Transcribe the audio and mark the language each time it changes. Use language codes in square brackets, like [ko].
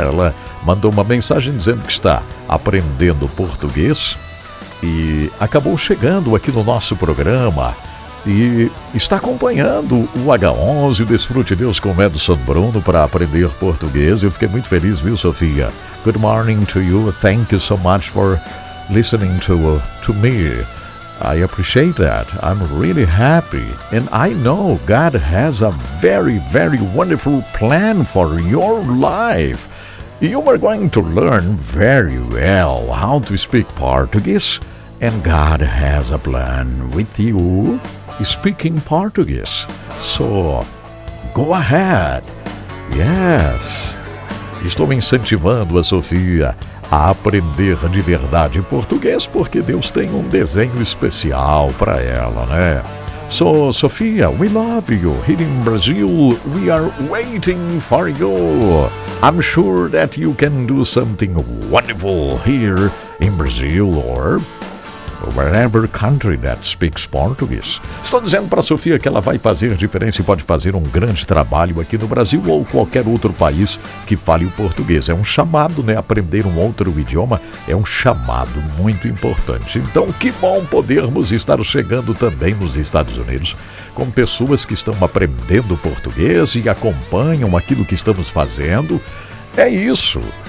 [pt] Ela mandou uma mensagem dizendo que está aprendendo português e acabou chegando aqui no nosso programa e está acompanhando o H11, o DesfruteDeus com Edson Bruno para aprender português. Eu fiquei muito feliz, viu, Sofia? [en] Good morning to you. Thank you so much for listening to me. I appreciate that. I'm really happy. And I know God has a very, very wonderful plan for your life. You are going to learn very well how to speak Portuguese. And God has a plan with you speaking Portuguese. So, go ahead. Yes. [pt] Estou incentivando a Sofia a aprender de verdade português, porque Deus tem um desenho especial para ela, né? [en] So, Sofia, we love you. Here in Brazil, we are waiting for you. I'm sure that you can do something wonderful here in Brazil or wherever country that speaks Portuguese. [pt] Estou dizendo para a Sofia que ela vai fazer a diferença e pode fazer um grande trabalho aqui no Brasil ou qualquer outro país que fale o português. É um chamado, né? Aprender um outro idioma é um chamado muito importante. Então, que bom podermos estar chegando também nos Estados Unidos com pessoas que estão aprendendo português e acompanham aquilo que estamos fazendo. É isso.